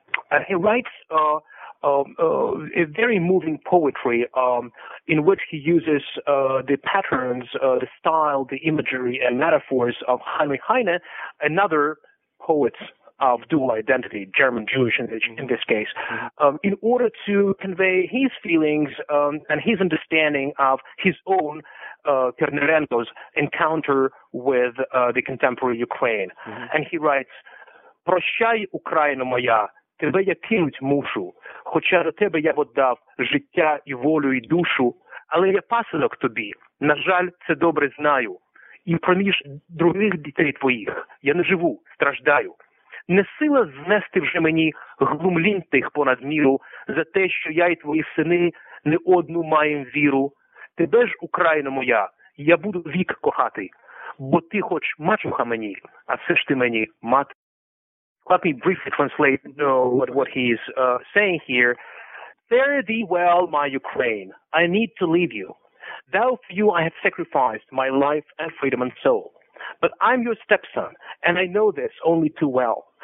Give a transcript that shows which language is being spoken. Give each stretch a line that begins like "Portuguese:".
English: And he writes a very moving poetry in which he uses the patterns, the style, the imagery, and metaphors of Heinrich Heine, another poet of dual identity, German-Jewish in this case, in order to convey his feelings and his understanding of his own Krnarenko's encounter with the contemporary Ukraine. Mm-hmm. And he writes,
Ukrainian: «Прощай, Україна моя!» Тебе я кинуть мушу, хоча до тебе я б отдав життя і волю і душу, але я пасинок тобі, на жаль, це добре знаю. І проміж других дітей твоїх я не живу, страждаю. Не сила знести вже мені глумлінь тих понад міру за те, що я і твої сини не одну маємо віру. Тебе ж, Україна моя, я буду вік кохати, бо ти хоч мачуха мені, а все ж ти мені мати.
English: Let me briefly translate what he's saying here. Fare thee well, my Ukraine. I need to leave you. Thou for you I have sacrificed my life and freedom and soul. But I'm your stepson, and I know this only too well.